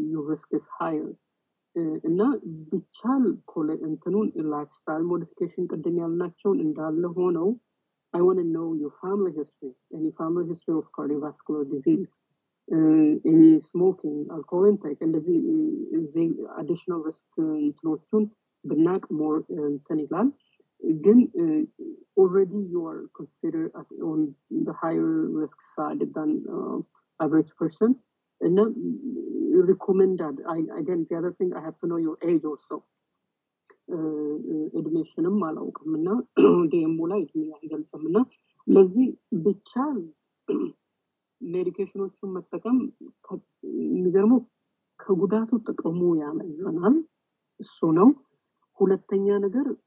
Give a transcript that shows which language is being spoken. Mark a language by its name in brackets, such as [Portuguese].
[Amharic] ሪስክስ ሃይር እና ቢቻል ኮለ እንትኑን ላይፍ ስታይል ሞዲፊኬሽን ቅድም ያልናቸውን እንዳለ ሆነው [English] I want to know your family history, any family history of cardiovascular disease, any smoking, alcohol intake, and the additional risk to not more than that. Then already you are considered at, on the higher risk side than average person. And then recommend that. Again, the other thing, I have to know your age also. [Amharic] ኤድሚሽንም አላውቅም እና ዲኤምኦ ላይ እድሜ አይገልጽም እና ለዚህ ብቻ ሜዲኬሽኖቹን መጠቀም የሚገርመው ከጉዳቱ ጥቅሙ ያመዝናል። እሱ ነው ሁለተኛ ነገር።